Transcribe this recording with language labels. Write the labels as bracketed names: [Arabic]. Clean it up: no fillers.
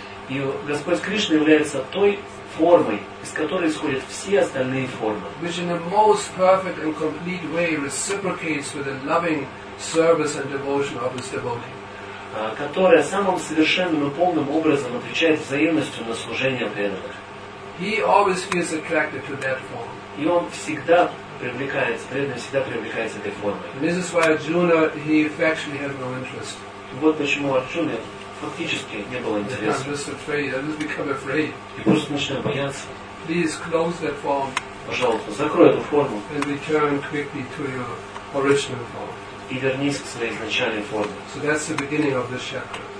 [Russian] И Господь Кришна является той формой, из которой исходят все остальные формы. [English] Which in the most perfect and complete way reciprocates with a loving service and devotion of his devotee. [Russian] Которая самым совершенным и полным образом отвечает взаимностью на служение преданных. [English] He always feels attracted to that form. [Russian] И он всегда привлекается, преданный всегда привлекается этой формой. [English] And this is why Arjuna, he actually has no interest. [Russian] Вот почему Арджуна фактически не было интереса. [English] He's just afraid. He's become afraid. [Russian] И просто начинает бояться. [English] Please close that form. [Russian] Пожалуйста, закрой эту форму. [English] And return quickly to your original form. [Russian] И вернись к своей изначальной форме. [English] So that's the beginning of this chapter.